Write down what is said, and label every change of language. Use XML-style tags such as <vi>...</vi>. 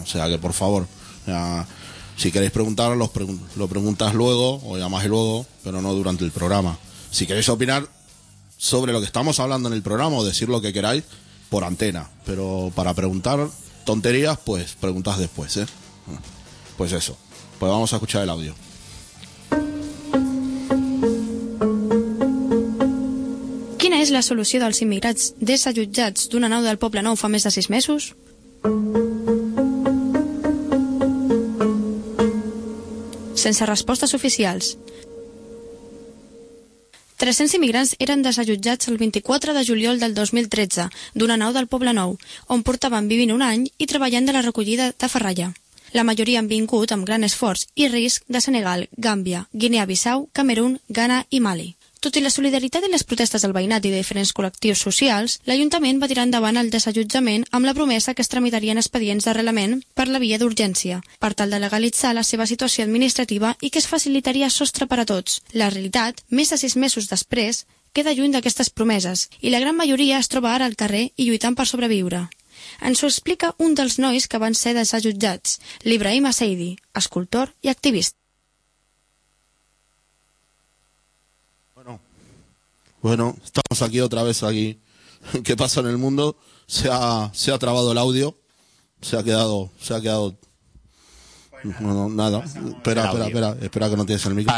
<es>O sea que, por favor, ya, si queréis preguntar, lo preguntas luego o llamas luego, pero no durante el programa. Si queréis opinar sobre lo que estamos hablando en el programa o decir lo que queráis, por antena. Pero para preguntar tonterías, pues preguntas después, ¿eh? Pues eso. Pues vamos a escuchar el audio.</es> <ca>Quina és la solució dels immigrats desallotjats d'una nau del Poble Nou fa més de 6 mesos? Sense respostes oficials. 300 immigrants eren desallotjats el 24 de juliol del 2013 d'una nau del Poble Nou, on portaven vivint un any i treballant de la recollida de ferralla. La majoria han vingut amb gran esforç i risc de Senegal, Gàmbia, Guinea-Bissau, Camerún, Ghana i Mali. Tot i la solidaritat i les protestes del veïnat i de diferents col·lectius socials, l'Ajuntament va tirar endavant el desallotjament amb la promesa que es tramitarien expedients d'arrelament per la via d'urgència, per tal de legalitzar la seva situació administrativa i que es facilitaria sostre per a tots. La realitat, més de 6 mesos després, queda lluny d'aquestes promeses i la gran majoria es troba ara al carrer i lluitant per sobreviure. Ens ho explica un dels nois que van ser desallotjats, l'Ibrahim Aseidi, escultor i activista.</ca> <es>Bueno, estamos aquí otra vez aquí. ¿Qué pasa en el mundo? Se ha trabado el audio. Se ha quedado. Bueno, no, nada. Espera que no tienes el micrófono.</es>